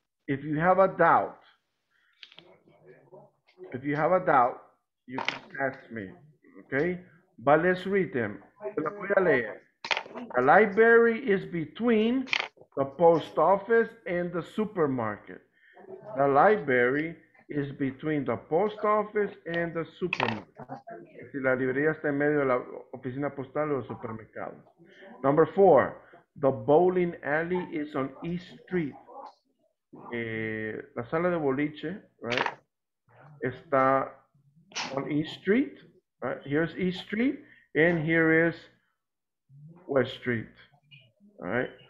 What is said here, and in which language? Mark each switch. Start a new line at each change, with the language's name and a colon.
English: If you have a doubt, you can ask me. Okay, but let's read them.
Spanish: La voy a leer.
English: The library is between the post office and the supermarket. The library is between the post office and the supermarket.
Spanish: Si la librería está en medio de la oficina postal o el supermercado.
English: Number four, the bowling alley is on East Street.
Spanish: La sala de boliche, right? Está
English: on East Street,
Spanish: right?
English: Here's East Street, and here is West Street, right?